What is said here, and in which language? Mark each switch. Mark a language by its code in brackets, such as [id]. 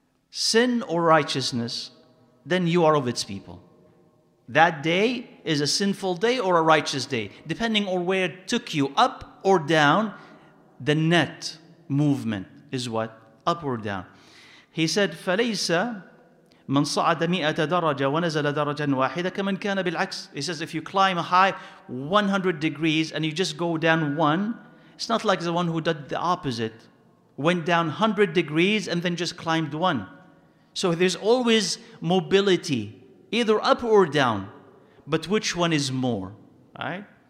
[en] Sin or righteousness? Then you are of its people. That day is a sinful day or a righteous day, depending on where it took you, up or down. The net movement is what? Up or down. He said, [ar] فَلَيْسَ مَنْ صَعَدَ مِئَةَ دَرَجَ وَنَزَلَ دَرَجًا وَاحِدَ كَمَنْ كَانَ بِالْعَكْسِ. [en] He says, if you climb a high 100 degrees and you just go down one, it's not like the one who did the opposite, went down 100 degrees and then just climbed one. So there's always mobility, either up or down, but which one is more, right?